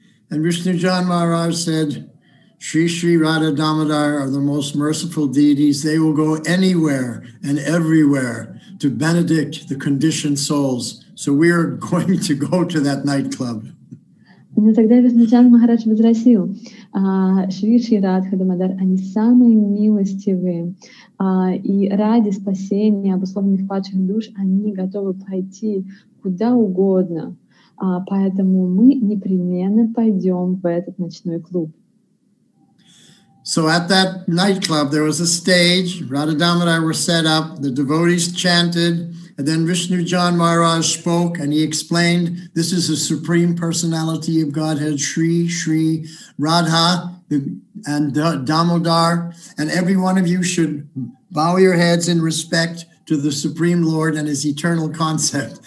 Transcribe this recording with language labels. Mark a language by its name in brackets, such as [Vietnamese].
[English] And Vishnujan Maharaj said, Sri Sri Radha Damodar are the most merciful deities. They will go anywhere and everywhere to benedict the conditioned souls. So we are going to go to that nightclub. [Russian] Но тогда Вишнуджан Махарадж возразил: Шри Шри Радха Дамодар, они самые милостивые, и ради спасения обусловленных падших душ они готовы пойти куда угодно, поэтому мы непременно пойдем в этот ночной клуб. [English] So at that nightclub there was a stage, Radha Damodar were set up, the devotees chanted, and then Vishnujan Maharaj spoke and he explained, this is the Supreme Personality of Godhead, Sri Sri Radha and Damodar, and every one of you should bow your heads in respect to the Supreme Lord and his eternal concept.